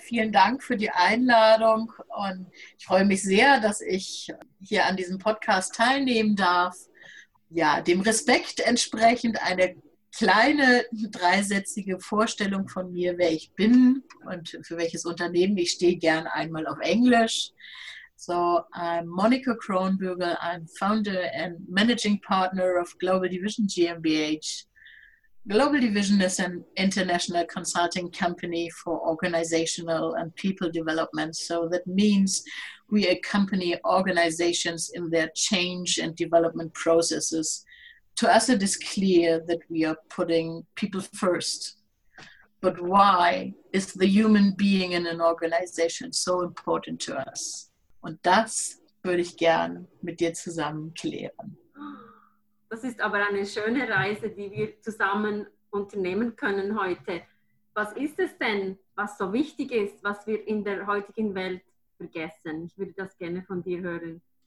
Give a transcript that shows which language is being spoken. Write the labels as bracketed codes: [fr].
[de] Vielen Dank für die Einladung und ich freue mich sehr, dass ich hier an diesem Podcast teilnehmen darf. Ja, dem Respekt entsprechend eine kleine dreisätzige Vorstellung von mir, wer ich bin und für welches Unternehmen. Ich stehe gern einmal auf Englisch. [en] So, I'm Monica Kronbügel, I'm Founder and Managing Partner of Global Division GmbH. Global Division is an international consulting company for organizational and people development. So that means we accompany organizations in their change and development processes. To us, it is clear that we are putting people first. But why is the human being in an organization so important to us? [de] Und das würde ich gern mit dir zusammen klären. Das ist aber eine schöne Reise, die wir zusammen unternehmen können heute. Was ist es denn, was so wichtig ist, was wir in der heutigen Welt vergessen? Ich würde das gerne von dir hören.